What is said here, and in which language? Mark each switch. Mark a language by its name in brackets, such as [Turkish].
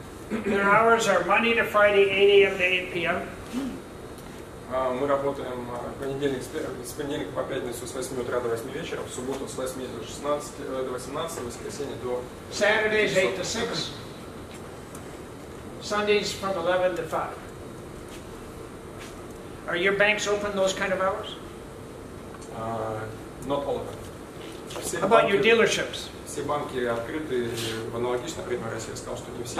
[English] Their hours are Monday to Friday, 8 a.m. to 8 p.m. [Russian] Мы работаем с понедельника по пятницу с 8 утра до 8 вечера, в субботу с 8 до 16, до 18, в воскресенье до [English] 6. Sundays from 11 to 5. Are your banks open those kind of hours? Not all of them. How about your dealerships? [Russian] Все банки открыты в аналогичное время России, сказал, что не все.